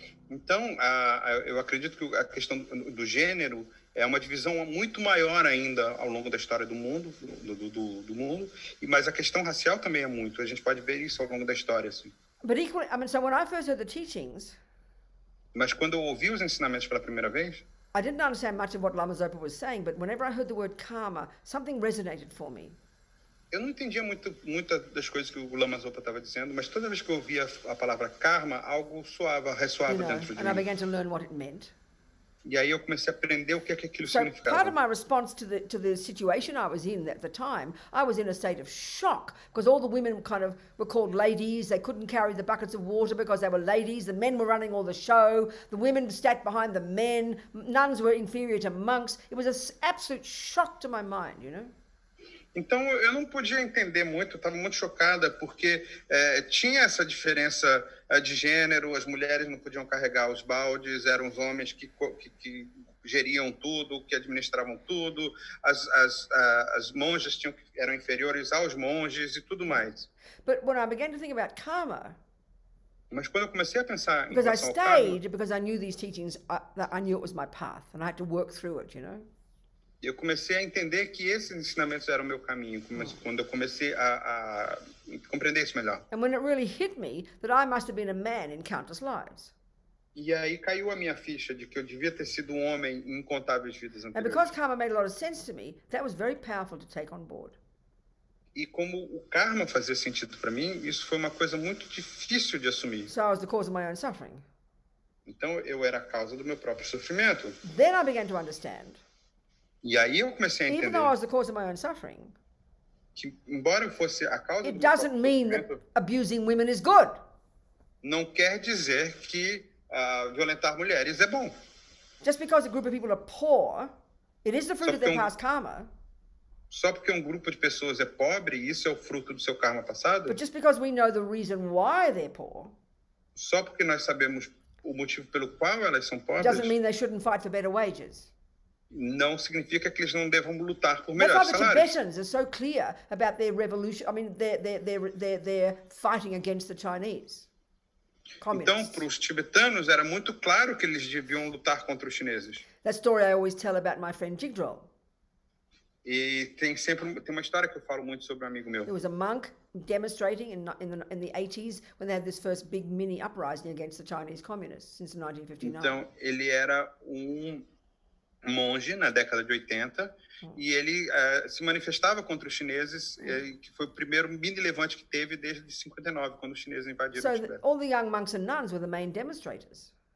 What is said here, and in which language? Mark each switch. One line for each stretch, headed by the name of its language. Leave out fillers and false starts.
Portuguese: Então, eu acredito que a questão do gênero é uma divisão muito maior ainda ao longo da história do mundo, do mundo. Mas a questão racial também é muito. A gente pode ver isso ao longo da história, assim.
English: But equally, I mean, so when I first heard the teachings,
Portuguese: mas quando eu ouvi os ensinamentos pela primeira vez,
English: I didn't understand much of what Lama Zopa was saying, but whenever I heard the word karma, something resonated for me.
Portuguese: Eu não entendia muitas das coisas que o Lama Zopa estava dizendo, mas toda vez que eu ouvia a palavra karma, algo soava, ressoava dentro de
English: and
Portuguese: mim.
English: I began to learn what it meant.
Portuguese: E aí eu comecei a aprender o que é que aquilo
English: so
Portuguese: significava.
English: Part of my response to the situation I was in at the time, I was in a state of shock because all the women kind of were called ladies. They couldn't carry the buckets of water because they were ladies. The men were running all the show. The women sat behind the men. Nuns were inferior to monks. It was an absolute shock to my mind, you know?
Portuguese: Então eu não podia entender muito. Eu estava muito chocada porque tinha essa diferença de gênero, as mulheres não podiam carregar os baldes, eram os homens que geriam tudo, que administravam tudo, as monjas eram inferiores aos monges e tudo mais.
English: But when I began to think about karma,
Portuguese: mas quando eu comecei a pensar em
English: because I stayed
Portuguese: karma,
English: because I knew these teachings, I knew it was my path and I had to work through it, you know.
Portuguese: Eu comecei a entender que esses ensinamentos eram o meu caminho, quando eu comecei a compreender isso melhor.
English: And when it really hit me that I must have been a man in countless lives.
Portuguese: E aí caiu a minha ficha de que eu devia ter sido um homem em incontáveis vidas anteriores.
English: And because karma made a lot of sense to me, that was very powerful to take on board.
Portuguese: E como o karma fazia sentido para mim, isso foi uma coisa muito difícil de assumir.
English: So I was the cause of my own suffering.
Portuguese: Então eu era a causa do meu próprio sofrimento.
English: Then I began to understand.
Portuguese: E aí eu comecei a entender.
English: Even though I was the cause of my own suffering,
Portuguese: que, embora eu fosse a causa
English: it doesn't mean that abusing women is good.
Portuguese: Não quer dizer que violentar mulheres é bom.
English: Just because a group of people are poor, it is the fruit of their past karma.
Portuguese: Só porque grupo de pessoas é pobre, isso é o fruto do seu karma passado.
English: But just because we know the reason why they're poor,
Portuguese: só porque nós sabemos o motivo pelo qual elas são pobres,
English: doesn't mean they shouldn't fight for better wages.
Portuguese: Não significa que eles não devam lutar por melhores salários.
English: That's why the Tibetans are so clear about their revolution. I mean, they're fighting against the Chinese. Communists.
Portuguese: Então, para os tibetanos era muito claro que eles deviam lutar contra os chineses.
English: That story I always tell about my friend Jigdrol.
Portuguese: E tem uma história que eu falo muito sobre um amigo meu.
English: There was a monk demonstrating in the 80s when they had this first big mini uprising against the Chinese communists since 1959.
Portuguese: Então, ele era monge na década de 80 e ele se manifestava contra os chineses, que foi o primeiro mini levante que teve desde 59 quando os chineses invadiram
English: so
Portuguese: o Tibete.
English: All the young monks and nuns were the main demonstrators.